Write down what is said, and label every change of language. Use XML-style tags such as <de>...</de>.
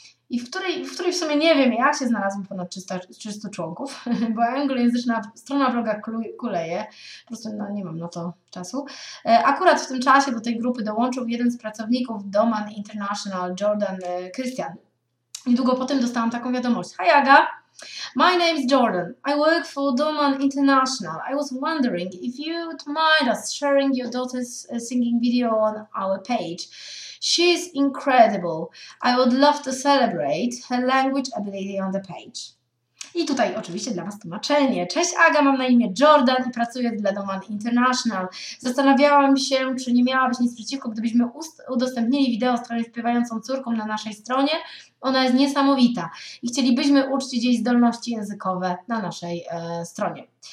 <pl>I w której w sumie nie wiem, jak się znalazłam ponad 300 członków, bo anglojęzyczna strona bloga kuleje, po prostu no, nie mam na to czasu. Akurat w tym czasie do tej grupy dołączył jeden z pracowników Doman International, Jordan Christian. Niedługo potem dostałam taką wiadomość.</pl> <en>Hi Aga, my name is Jordan. I work for Doman International. I was wondering if you'd mind us sharing your daughter's singing video on our page. She's incredible. I would love to celebrate her language ability on the page.</en> <pl>I tutaj oczywiście dla Was tłumaczenie. Cześć Aga, mam na imię Jordan i pracuję dla Doman International. Zastanawiałam się, czy nie miałabyś nic przeciwko, gdybyśmy udostępnili wideo z twoją śpiewającą córką na naszej stronie. Ona jest niesamowita i chcielibyśmy uczcić jej zdolności językowe na naszej stronie.</pl>